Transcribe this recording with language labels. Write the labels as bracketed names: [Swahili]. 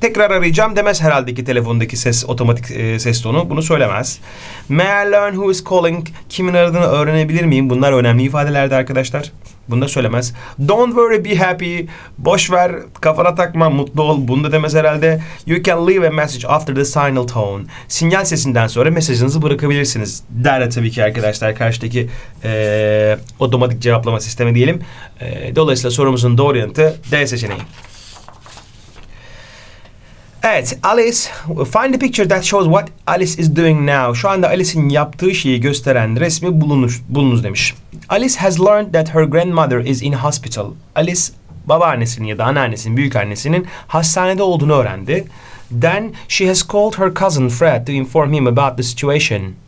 [Turkish] Tekrar arayacağım demez herhalde ki telefondaki ses otomatik ses tonu. Bunu söylemez. [English] May I learn who is calling? [Turkish] Kimin aradığını öğrenebilir miyim? Bunlar önemli ifadelerdi arkadaşlar. Bunu da söylemez. [English] Don't worry, be happy. [Turkish] Boş ver, kafana takma, mutlu ol. Bunu da demez herhalde. [English] You can leave a message after the signal tone. [Turkish] Sinyal sesinden sonra mesajınızı bırakabilirsiniz. Der de tabii ki arkadaşlar karşıdaki otomatik cevaplama sistemi diyelim. Dolayısıyla sorumuzun doğru yanıtı D seçeneği. [English] Evet, Alice, find a picture that shows what Alice is doing now. [Turkish] Şu anda Alice'in yaptığı şeyi gösteren resmi bulunuz demiş. [English] Alice has learned that her grandmother is in hospital. [Turkish] Alice, babaannesinin ya da anneannesinin, büyükannesinin hastanede olduğunu öğrendi. [English] Then she has called her cousin Fred to inform him about the situation.